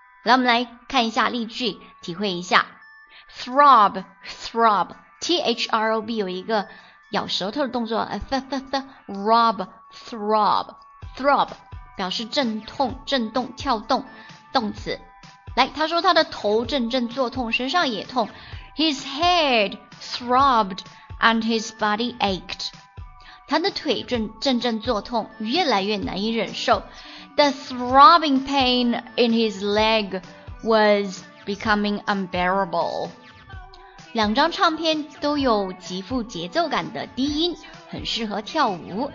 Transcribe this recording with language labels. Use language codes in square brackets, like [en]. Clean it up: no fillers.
[zh] 来，我们来看一下例句，体会一下 throb throb T-H-R-O-B 有一个咬舌头的动作 throb throb throb 表示阵痛震动跳动动词。来，他说他的头阵阵作痛，身上也痛。 [en] His head throbbed and his body ached. [zh] 他的腿阵阵作痛，越来越难以忍受。 [en] The throbbing pain in his leg was becoming unbearable. [zh] 两张唱片都有极富节奏感的低音，很适合跳舞。